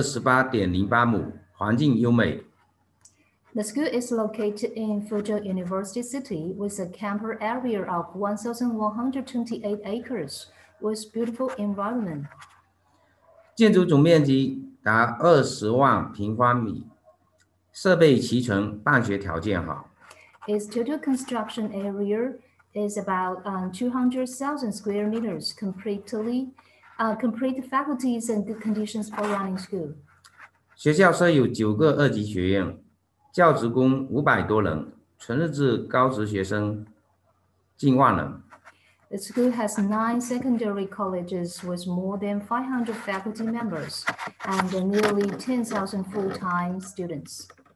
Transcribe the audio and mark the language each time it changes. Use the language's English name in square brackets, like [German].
[Chinese] 学校坐落在福州大学城，校园面积1128.08亩，环境优美。 [English] The school is located in Fuzhou University City with a campus area of 1,128 acres with beautiful environment. [Chinese] 建筑总面积达20万平方米, 设备齐全,办学条件好。 [English] Its total construction area is about 200,000 square meters, complete faculties and good conditions for running school. [Chinese] 学校设有9个二级学院。教职工500多人，纯日制高职学生近万人。 [English] The school has 9 secondary colleges with more than 500 faculty members and nearly 10,000 full-time students.